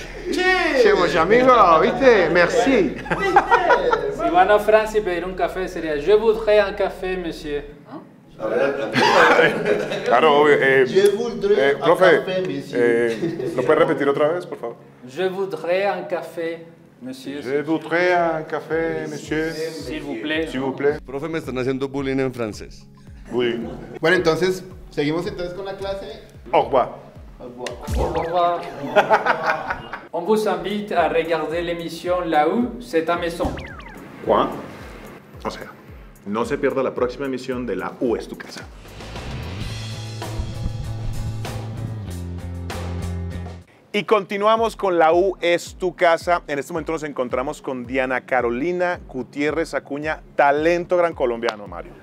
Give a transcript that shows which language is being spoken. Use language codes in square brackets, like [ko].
[es] ¡Che! Seamos amigos, ¿viste? Merci. Si van a Francia y pedir un café, sería [fr] Je voudrais un café, monsieur. [es] Claro, obvio. [fr] Je voudrais [es] profe, [fr] un café, monsieur. [es] ¿Lo puedes repetir otra vez, por favor? [fr] Je voudrais un café, monsieur. Je voudrais un café, monsieur. S'il vous plaît. S'il vous plaît. [es] Profe, me están haciendo bullying en francés. Bullying. Bueno, entonces, seguimos entonces con la clase. [fr] Au revoir. Au revoir. Au revoir. On vous invite à regarder l'émission La U, c'est ta maison. [es] Quoi? O sea. No se pierda la próxima emisión de La U es tu casa. Y continuamos con La U es tu casa. En este momento nos encontramos con Diana Carolina Gutiérrez Acuña, talento gran colombiano, Mario.